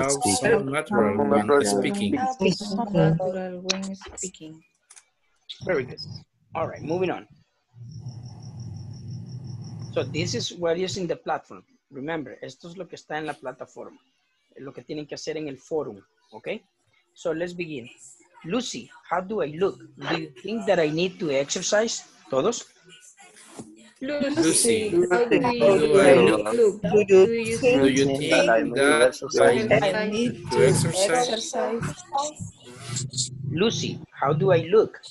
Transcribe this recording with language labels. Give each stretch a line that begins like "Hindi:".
English: intonation with direct address helps sound natural when speaking. Very good. All right, moving on. So this is what is in the platform.
Spanish: Remember, esto es lo que está en la plataforma. Es lo que tienen que hacer en el forum, okay?
English: So let's begin. Lucy, how do I look? Do you think that I need to exercise?
Spanish: Todos?
English: Lucy, how do I look?